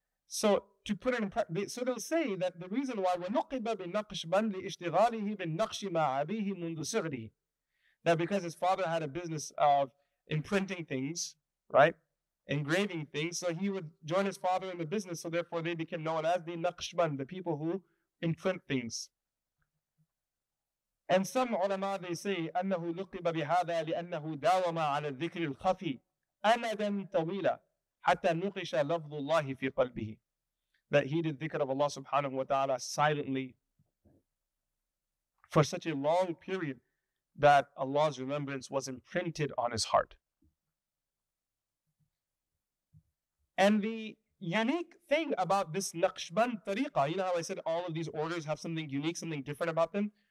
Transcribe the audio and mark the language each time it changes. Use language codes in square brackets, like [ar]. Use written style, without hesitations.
[en] So to put an impression, so they'll say that the reason why [ar] وَنُقِبَ بِالنَّقْشْبَنْدِ اِشْتِغَالِهِ بِالنَّقْشِ مَا عَبِيهِ مُنْدُ سُغْرِهِ. [en] That because his father had a business of imprinting things, right? Engraving things, so he would join his father in the business, so therefore they became known as the Naqshband, the people who imprint things. And some ulama, they say, [ar] أَنَّهُ لُقِبَ بِهَذَا لِأَنَّهُ دَاوَمَ عَلَى الذِّكْرِ الْخَفِي أَمَدًا طَوِيلًا حَتَّى نُقِشَ لَفْظُ اللَّهِ فِي قَلْبِهِ. [en] That he did dhikr of Allah subhanahu wa ta'ala silently for such a long period that Allah's remembrance was imprinted on his heart. And the unique thing about this Naqshband tariqah, you know how I said all of these orders have something unique, something different about them?